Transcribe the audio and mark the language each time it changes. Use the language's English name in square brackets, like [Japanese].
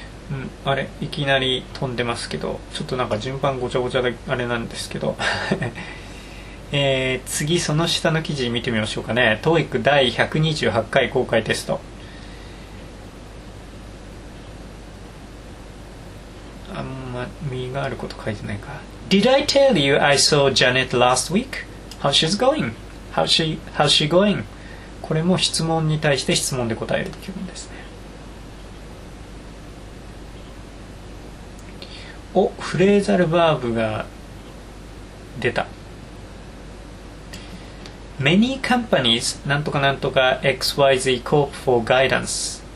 [Japanese] うん、あれいきなり飛んでますけど、ちょっとなんか順番ごちゃごちゃであれなんですけど次その下の記事見てみましょうかね。 TOEIC 第128回公開テスト、あんま身があること書いてないか。 [English] Did I tell you I saw Janet last week? How she's going? How she going? [Japanese] これも質問に対して質問で答える気分ですね。お、フレーザルバーブが出た。 [English] Many companies なんとかなんとか XYZ Corp for guidance。